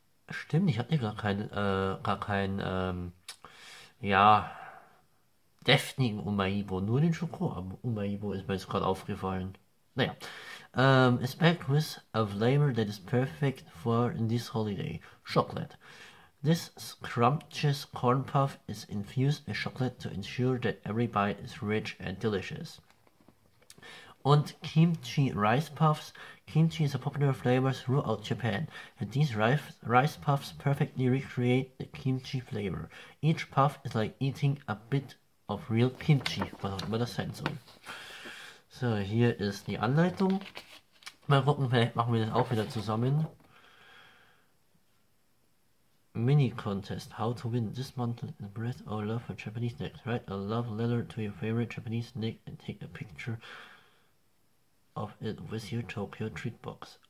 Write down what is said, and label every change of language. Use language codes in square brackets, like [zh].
[de] Stimmt, ich hatte gar keinen deftigen Umaibo, nur den Schoko Umaibo ist mir jetzt gerade aufgefallen. [en] Naja, it's back with a flavor that is perfect for this holiday. Chocolate. This scrumptious corn puff is infused with chocolate to ensure that every bite is rich and delicious. Und Kimchi Rice Puffs. Kimchi is a popular flavor throughout Japan, and these rice puffs perfectly recreate the kimchi flavor. Each puff is like eating a bit of real kimchi, [de] was auch immer das sein soll. So, hier ist die Anleitung. Mal gucken, vielleicht machen wir das auch wieder zusammen. Mini-Contest. [en] How to win this month in the Breath of Love for Japanese Snacks. Write a love letter to your favorite Japanese snack and take a picture of it with your Tokyo Treat Box.